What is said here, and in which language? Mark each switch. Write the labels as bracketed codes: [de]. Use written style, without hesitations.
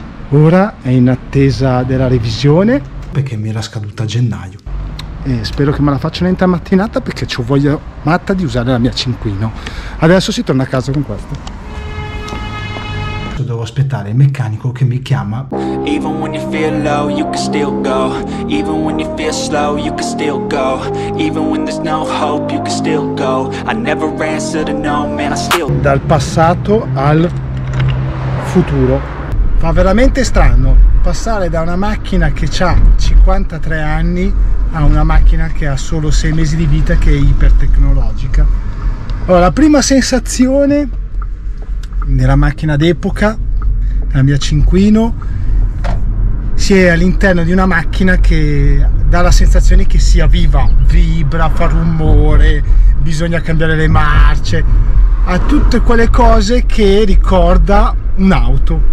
[it] Ora è in attesa della revisione perché mi era scaduta a gennaio. E spero che me la facciano entrare mattinata perché ci voglio matta di usare la mia cinquino. Adesso si torna a casa con questo. Devo aspettare il meccanico che mi chiama. [en] Even when you feel low, you can still go. Even when you feel slow, you can still go. Even when there's no hope, you can still go. I never answered a no, man, I still. [it] Dal passato al futuro. Fa veramente strano passare da una macchina che ha 53 anni a una macchina che ha solo 6 mesi di vita, che è ipertecnologica. Allora, la prima sensazione nella macchina d'epoca, la mia cinquino, si è all'interno di una macchina che dà la sensazione che sia viva, vibra, fa rumore, bisogna cambiare le marce, ha tutte quelle cose che ricorda un'auto.